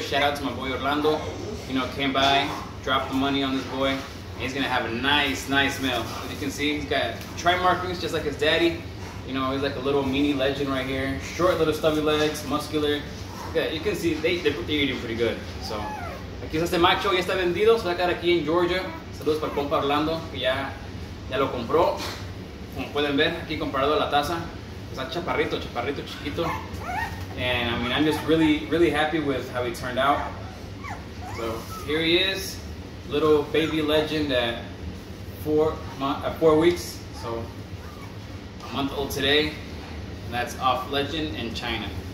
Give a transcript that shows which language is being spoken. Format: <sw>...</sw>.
<en>Shout out to my boy Orlando. You know, came by, dropped the money on this boy, and he's gonna have a nice, nice male. As you can see, he's got tri markings just like his daddy. You know, he's like a little mini Legend right here. Short little stubby legs, muscular. Okay, you can see they're eating pretty good.</en> <es>So, aquí está este macho, ya está vendido. Se va a quedar aquí en Georgia. Saludos para el compa Orlando, que ya lo compró. Como pueden ver, aquí comparado a la taza. Está chaparrito chiquito.</es> <en>And I mean, I'm just really, really happy with how he turned out. So, here he is. Little baby Legend at four weeks. So, month old today, and that's off Legend in Chyna.</en>